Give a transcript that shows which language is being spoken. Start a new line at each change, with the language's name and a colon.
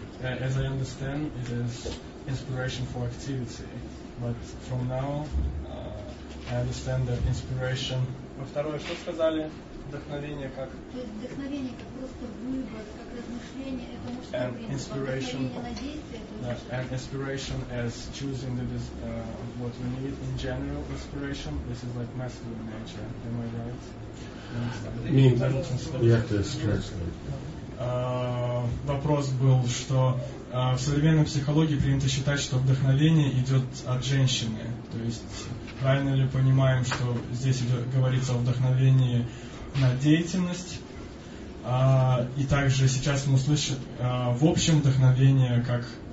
English: As I understand, it is inspiration for activity. But from now, I understand that inspiration...
Russian: Во второе, что сказали? Вдохновение как... То есть вдохновение как просто выбор, как размышление, это мужское принцип, вдохновение на действие...
English: And inspiration as choosing what we need in general, inspiration, this is like masculine nature, am I right?
Russian: Вопрос был, что в современной психологии принято считать, что вдохновение идет от женщины. То есть правильно ли понимаем, что здесь говорится о вдохновении на деятельность? И также сейчас мы услышим в общем вдохновение как...